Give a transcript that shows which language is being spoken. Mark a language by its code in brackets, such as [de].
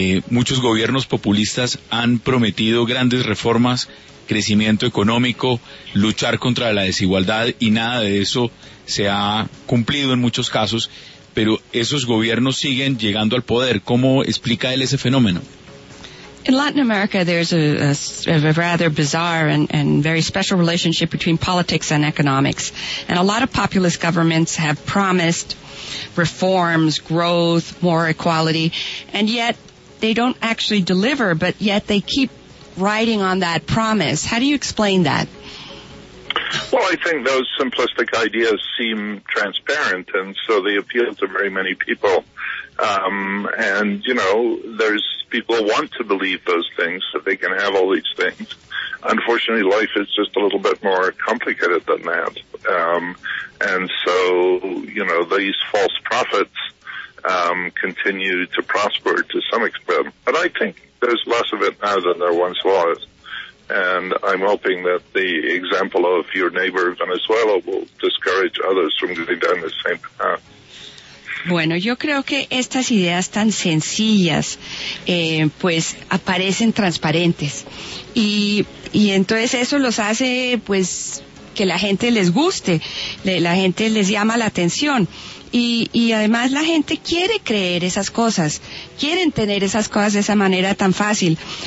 [es] Muchos gobiernos populistas han prometido grandes reformas, crecimiento económico, luchar contra la desigualdad y nada de eso se ha cumplido en muchos casos, pero esos gobiernos siguen llegando al poder. ¿Cómo explica él ese fenómeno? [en] In Latin America, there's a rather bizarre and very special relationship between politics and economics. And a lot of populist governments have promised reforms, growth, more equality, and yet they don't actually deliver, but yet they keep riding on that promise. How do you explain that? Well, I think those simplistic ideas seem transparent, and so they appeal to very many people. And, you know, there's people want to believe those things, that they can have all these things. Unfortunately, life is just a little bit more complicated than that. And so, you know, these false prophets continue to prosper to some extent. But I think there's less of it now than there once was. And I'm hoping that the example of your neighbor Venezuela will discourage others from going down the same path. [es] Bueno, yo creo que estas ideas tan sencillas, pues, aparecen transparentes. Y entonces eso los hace, pues, que la gente les guste, la gente les llama la atención. Y además la gente quiere creer esas cosas, quieren tener esas cosas de esa manera tan fácil.